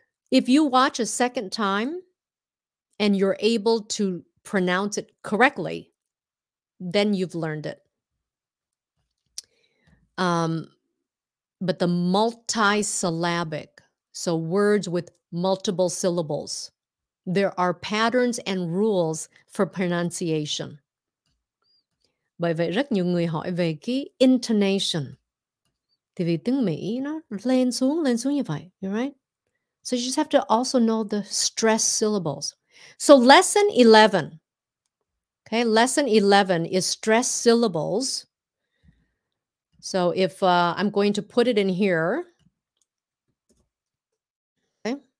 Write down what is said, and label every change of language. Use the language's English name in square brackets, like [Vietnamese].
[English] If you watch a second time and you're able to pronounce it correctly, then you've learned it. But the multisyllabic, so words with multiple syllables, there are patterns and rules for pronunciation. [Vietnamese] Bởi vậy rất nhiều người hỏi về cái intonation. Thì vì tiếng Mỹ nó lên xuống như vậy, [English] you're right? So you just have to also know the stress syllables. So lesson 11, okay? Lesson 11 is stress syllables. So if I'm going to put it in here, okay?